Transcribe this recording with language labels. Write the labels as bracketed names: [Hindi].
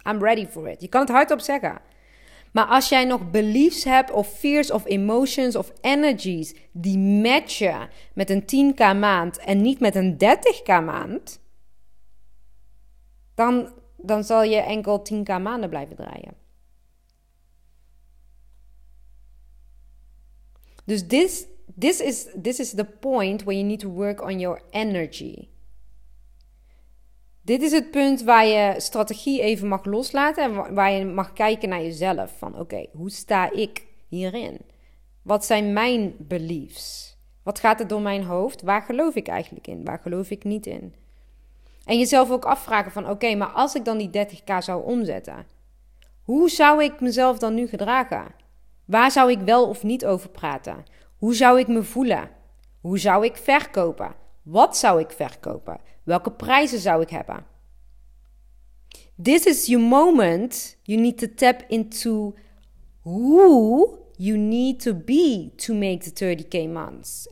[English] I'm ready for it. [Dutch] Je kan het hardop zeggen. Maar als jij nog beliefs hebt of fears of emotions of energies die matchen met een 10k maand en niet met een 30k maand, dan zal je enkel 10k maanden blijven draaien. Dus [English] This is the point where you need to work on your energy. [Dutch] Dit is het punt waar je strategie even mag loslaten en waar je mag kijken naar jezelf. Van oké, hoe sta ik hierin? Wat zijn mijn beliefs? Wat gaat er door mijn hoofd? Waar geloof ik eigenlijk in? Waar geloof ik niet in? En jezelf ook afvragen van oké, maar als ik dan die 30k zou omzetten, hoe zou ik mezelf dan nu gedragen? Waar zou ik wel of niet over praten? Hoe zou ik me voelen? Hoe zou ik verkopen? Wat zou ik verkopen? Welke prijzen zou ik hebben? [English] This is your moment. You need to tap into who you need to be to make the 30k months.